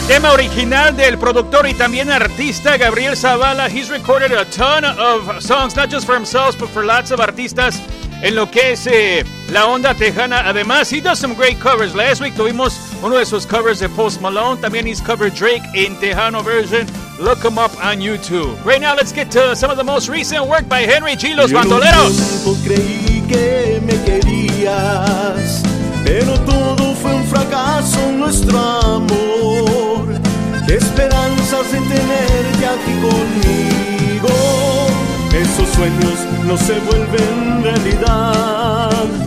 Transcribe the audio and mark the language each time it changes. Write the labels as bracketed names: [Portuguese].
[Spanish] Original del productor y también artista Gabriel Zavala. [English] He's recorded a ton of songs, not just for himself, but for lots of [Spanish] artistas en lo que es la onda tejana. [English] Además, he does some great covers. Last week [Spanish] tuvimos uno de sus covers de [English] Post Malone. También he's covered Drake in Tejano version. Look him up on YouTube. Right now, let's get to some of the most recent work by Henry G. [Spanish] Los Bandoleros. Yo no creí que me querías, pero todo fue un fracaso nuestro amor. Esperanzas de tenerte aquí conmigo. Esos sueños no se vuelven realidad.